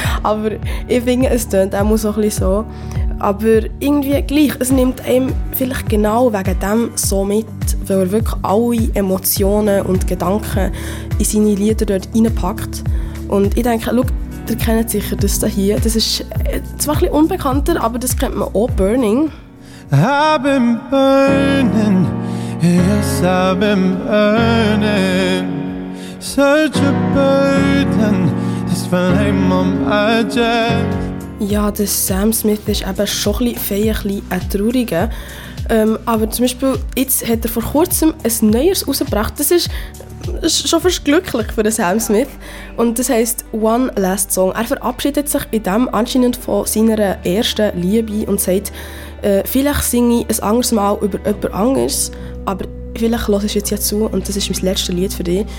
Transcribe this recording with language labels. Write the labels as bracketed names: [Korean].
[German] Aber ich finde, es tönt auch so ein bisschen so. Aber irgendwie gleich, es nimmt einem vielleicht genau wegen dem so mit, weil er wirklich alle Emotionen und Gedanken in seine Lieder dort reinpackt. Und ich denke, schau, ihr kennt sicher das hier. Das ist zwar etwas unbekannter, aber das kennt man auch, Burning. [English] I've been burning, yes, I've been burning. Such a burden, this flame on my chest. [German] Ja, der Sam Smith ist eben schon ein bisschen ein trauriger. Aber zum Beispiel, jetzt hat er vor kurzem ein neues rausgebracht. Das ist schon fast glücklich für Sam Smith. Und das heisst «One Last Song». Er verabschiedet sich in dem anscheinend von seiner ersten Liebe und sagt, vielleicht singe ich ein anderes Mal über jemand anderes, aber vielleicht hörst du jetzt ja zu und das ist mein letztes Lied für dich.